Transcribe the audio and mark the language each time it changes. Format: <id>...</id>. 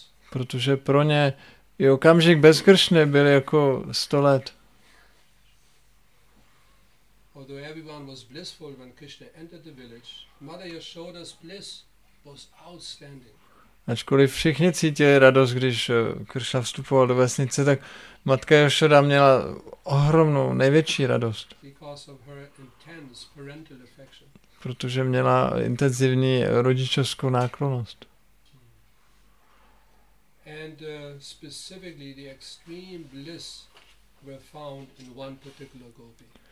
<cs>Protože pro ně i okamžik bez Kršny byl jako 100 let.</cs> <en>Although everyone was blissful when Krishna entered the village, Mother Yashoda's bliss was outstanding.</en> <cs>Ačkoliv všichni cítili radost, když Kršna vstupoval do vesnice, tak Matka Yashoda měla ohromnou, největší radost.</cs> <en>Because of her intense parental affection.</en> <cs>Protože měla intenzivní rodičovskou náklonost.</cs> <en>And specifically the extreme bliss were found in one particular gopi.</en>